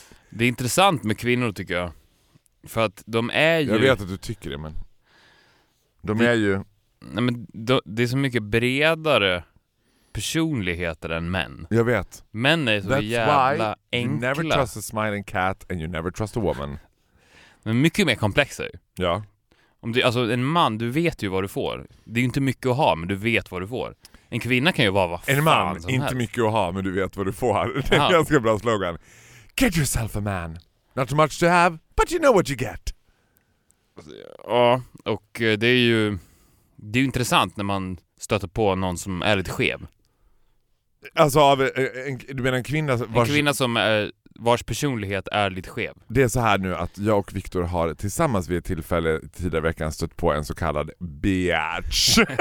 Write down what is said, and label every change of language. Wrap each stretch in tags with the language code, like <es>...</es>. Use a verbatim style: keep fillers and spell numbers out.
<sv>Det är intressant med kvinnor, tycker jag. För att de är ju... Jag vet att du tycker det, men... De det... är ju... Nej, men de... det är så mycket bredare personligheter än män. Jag vet. Män är så</sv> <en>That's</en> <sv>jävla enkla.</sv> <en>You never trust a smiling cat and you never trust a woman.</en> <sv>Men mycket mer komplexa ju. Ja. Om du, alltså en man, du vet ju vad du får. Det är ju inte mycket att ha, men du vet vad du får. En kvinna kan ju vara vad fan En man, som inte helst. Mycket att ha, men du vet vad du får. Det är en ganska bra slogan.</sv> <en>Get yourself a man. Not too much to have, but you know what you get.</en> <sv>Ja, och det är ju det är ju intressant när man stöter på någon som är lite skev. Alltså, av en, du menar en kvinna vars... En kvinna som är, vars personlighet är lite skev. Det är så här nu att jag och Viktor har tillsammans vid ett tillfälle tidigare veckan stött på en så kallad bitch.</sv>